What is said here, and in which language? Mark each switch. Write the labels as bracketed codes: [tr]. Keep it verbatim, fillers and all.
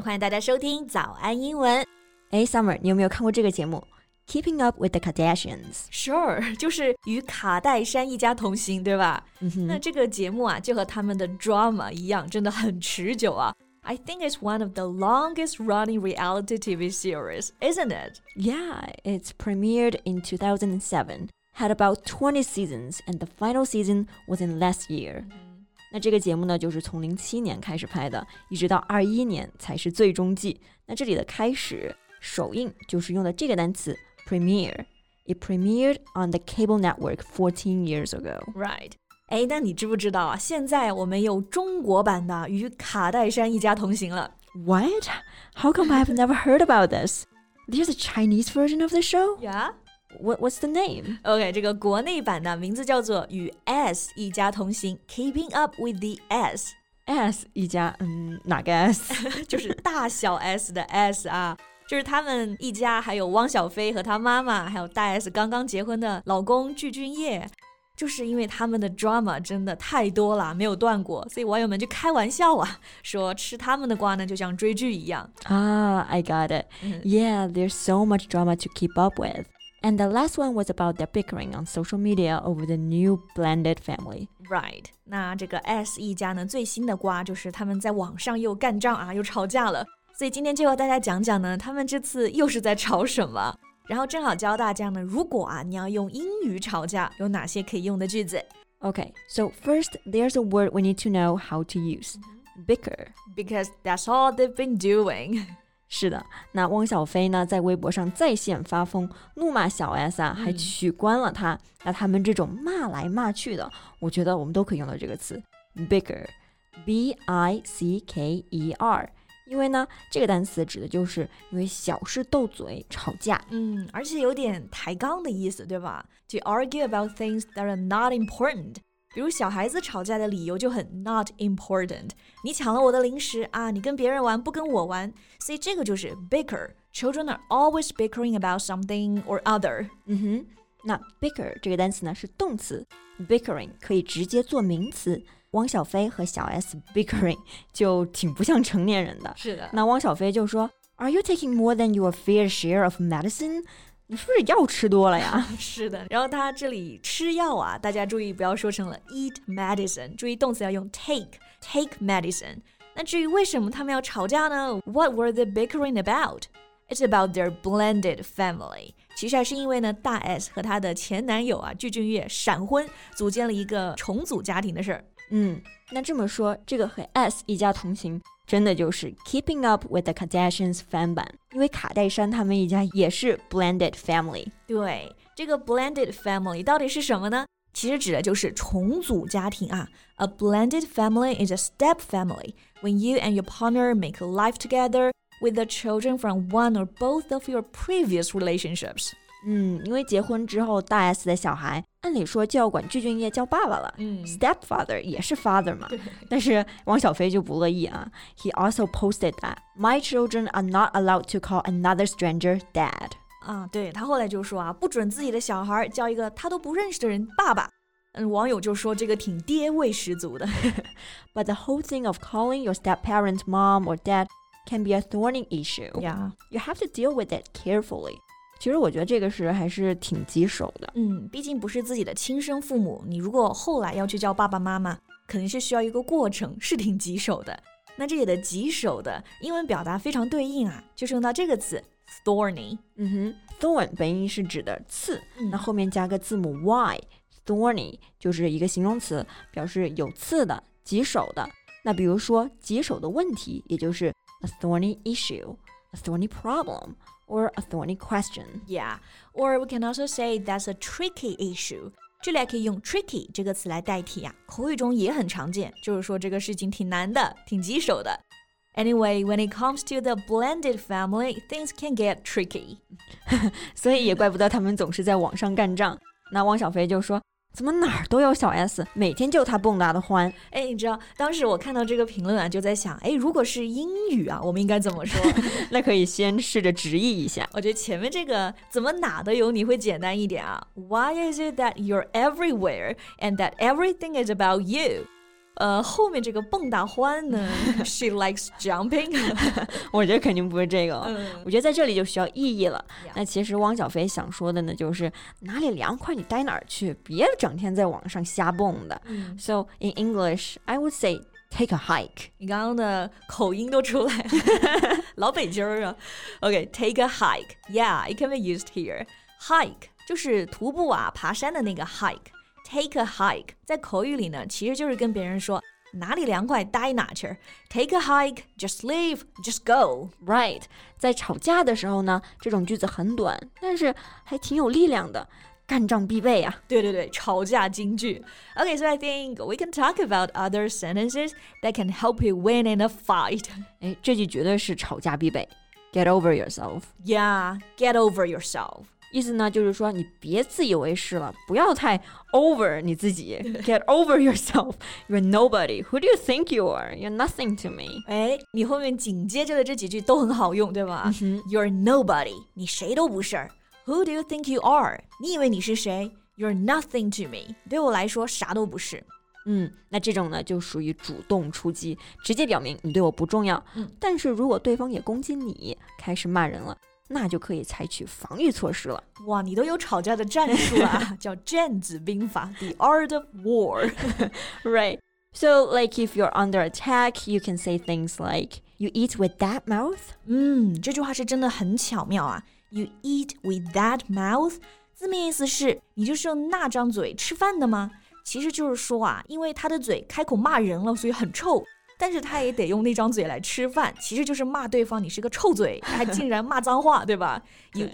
[zh] 欢迎大家收听早安英文。哎 Summer, 你有没有看过这个节目 Keeping Up with the Kardashians? [en] Sure, [zh] 就是与卡戴珊一家同行，对吧？嗯哼。那这个节目啊，就和他们的 drama 一样，真的很持久啊。 [en] I think it's one of the longest running reality T V series, isn't it? Yeah, it's premiered in two thousand seven. Had about twenty seasons, and the final season was in last year. [zh] 那这个节目呢，就是从零七年开始拍的，一直到二一年才是最终季。那这里的开始首映就是用的这个单词 premiere. [en] It premiered on the cable network fourteen years ago. Right. [zh] 哎，那你知不知道啊？现在我们有中国版的《与卡戴珊一家同行》了。 [en] What? How come I've never heard about this? There's a Chinese version of the show? Yeah. What, what's the name? [zh] Okay, 这个国内版的名字叫做与 S 一家同行 Keeping up with the S S 一家嗯，哪个 S? 就是大小 S 的 S 啊，就是他们一家还有汪小菲和他妈妈还有大 S 刚刚结婚的老公具俊晔，就是因为他们的 drama 真的太多了，没有断过，所以网友们就开玩笑啊，说吃他们的瓜呢，就像追剧一样 [en] 啊。I got it. Yeah, there's so much drama to keep up with. And the last one was about their bickering on social media over the new blended family. Right. [zh] 那这个 S 一家呢，最新的瓜就是他们在网上又干仗啊，又吵架了。所以今天就和大家讲讲呢，他们这次又是在吵什么。然后正好教大家呢，如果啊你要用英语吵架，有哪些可以用的句子。 [en] Okay, so first there's a word we need to know how to use. Bicker. Because that's all they've been doing. [zh] 是的，那汪小菲呢在微博上在线发疯，怒骂小 S 啊，还取关了他、嗯、那他们这种骂来骂去的，我觉得我们都可以用到这个词 bicker B I C K E R， 因为呢这个单词指的就是因为小事斗嘴吵架，嗯，而且有点抬杠的意思，对吧？ [en] To argue about things that are not important， [zh] 比如小孩子吵架的理由就很 [en] not important， [zh] 你抢了我的零食啊，你跟别人玩不跟我玩，所以这个就是 bicker。 [en] Children are always bickering about something or other。 [zh] 嗯哼，那 bicker 这个单词呢是动词， bickering 可以直接做名词，汪小菲和小 S bickering 就挺不像成年人的。是的， [en] 那汪小菲就说 Are you taking more than your fair share of medicine? [zh] 你是不是药吃多了呀？是的，然后他这里吃药啊，大家注意不要说成了 [en] eat medicine， [zh] 注意动词要用 [en] take take medicine。 [zh] 那至于为什么他们要吵架呢？ [en] What were they bickering about? It's about their blended family。 [zh] 其实还是因为呢大 S 和他的前男友啊具俊晔闪婚，组建了一个重组家庭的事儿。嗯，那这么说这个和 S 一家同行真的就是 Keeping Up with the Kardashians 翻版，因为卡戴珊他们一家也是 blended family。对，这个 blended family 到底是什么呢？其实指的就是重组家庭啊。 [en] A blended family is a step family when you and your partner make a life together with the children from one or both of your previous relationships。 [zh] 嗯，因为结婚之后大 S 的小孩按理说就要管具俊晔叫爸爸了、嗯、 Stepfather 也是 father 嘛，但是汪小菲就不乐意啊。 [en] He also posted that My children are not allowed to call another stranger dad。 [zh] 啊，对，他后来就说啊，不准自己的小孩叫一个他都不认识的人爸爸。嗯，网友就说这个挺爹味十足的。 [en] But the whole thing of calling your step-parent mom or dad can be a thorny issue. Yeah. You have to deal with it carefully。 [zh] 其实我觉得这个是还是挺棘手的。嗯，毕竟不是自己的亲生父母，你如果后来要去叫爸爸妈妈，肯定是需要一个过程，是挺棘手的。那这里的棘手的英文表达非常对应啊，就是用到这个词 thorny。嗯哼， thorn 本音是指的刺、嗯、那后面加个字母 y， thorny 就是一个形容词，表示有刺的，棘手的。那比如说棘手的问题，也就是 a thorny issue， a thorny problem or a thorny question. [en] Yeah, or we can also say that's a tricky issue. [zh] 这里还可以用 tricky 这个词来代替啊，口语中也很常见，就是说这个事情挺难的，挺棘手的。 [en] Anyway, when it comes to the blended family, things can get tricky. [zh] 所以也怪不得他们总是在网上干仗。那汪小菲就说，怎么哪儿都有小 S， 每天就他蹦跶的欢。哎，你知道当时我看到这个评论啊，就在想，哎，如果是英语啊，我们应该怎么说？那可以先试着直译一下。我觉得前面这个怎么哪都有你会简单一点啊。 [en] Why is it that you're everywhere and that everything is about you? [zh] 呃，后面这个蹦大欢呢 ， [en] she likes jumping [zh] 我觉得肯定不是这个、嗯、我觉得在这里就需要意义了、 [en] yeah. [zh] 那其实汪小菲想说的呢就是哪里凉快你待哪儿去，别整天在网上瞎蹦的、嗯、 [en] So in English I would say take a hike. [zh] 你刚刚的口音都出来了老北京啊 [en] OK, take a hike. Yeah, it can be used here. [zh] Hike 就是徒步啊爬山的那个 hike. [en] Take a hike 在口语里呢其实就是跟别人说哪里凉快待哪去 Take a hike, just leave, just go [zh] Right 在吵架的时候呢这种句子很短但是还挺有力量的干仗必备啊对对对吵架金句 [en] Okay, so I think we can talk about other sentences that can help you win in a fight [zh] 诶这句绝对是吵架必备 [en] Get over yourself Yeah, get over yourself [zh] 意思呢就是说你别自以为是了不要太 over 你自己 [en] Get over yourself You're nobody Who do you think you are? You're nothing to me [zh] 哎，你后面紧接着的这几句都很好用对吧、 [en] mm-hmm. You're nobody [zh] 你谁都不是 [en] Who do you think you are? [zh] 你以为你是谁 [en] You're nothing to me [zh] 对我来说啥都不是嗯，那这种呢就属于主动出击直接表明你对我不重要、嗯、但是如果对方也攻击你开始骂人了那就可以采取防御措施了哇你都有吵架的战术了、啊、叫战子兵法 The art of war [en] Right So like if you're under attack You can say things like You eat with that mouth [zh] 嗯这句话是真的很巧妙啊 [en] You eat with that mouth [zh] 字面意思是你就是用那张嘴吃饭的吗其实就是说啊因为他的嘴开口骂人了所以很臭但是他也得用那张嘴来吃饭其实就是骂对方你是个臭嘴还竟然骂脏话对吧 You